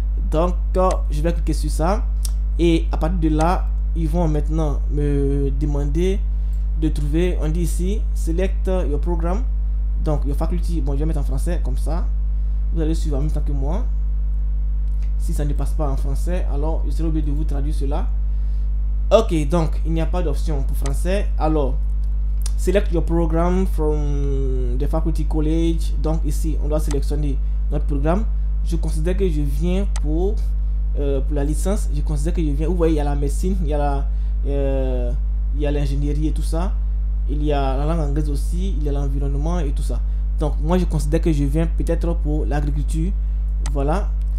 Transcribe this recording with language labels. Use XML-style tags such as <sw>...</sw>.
<fr>Donc, je vais cliquer sur ça. Et à partir de là, ils vont maintenant me demander de trouver, on dit ici «</fr> <en>Select your program ».</en> <fr>Donc,</fr> <en>your faculty,</en> <fr>bon, je vais mettre en français comme ça. Vous allez suivre en même temps que moi. Si ça ne passe pas en français, alors je serai obligé de vous traduire cela. Ok, donc il n'y a pas d'option pour français.</fr> <en>Alors, select your program from the faculty college.</en> <fr>Donc ici, on doit sélectionner notre programme. Je considère que je viens pour la licence. Je considère que je viens. Vous voyez, il y a la médecine, il y a l'ingénierie et tout ça. Il y a la langue anglaise aussi, il y a l'environnement et tout ça. Donc moi je considère que je viens peut-être pour l'agriculture, voilà.</fr>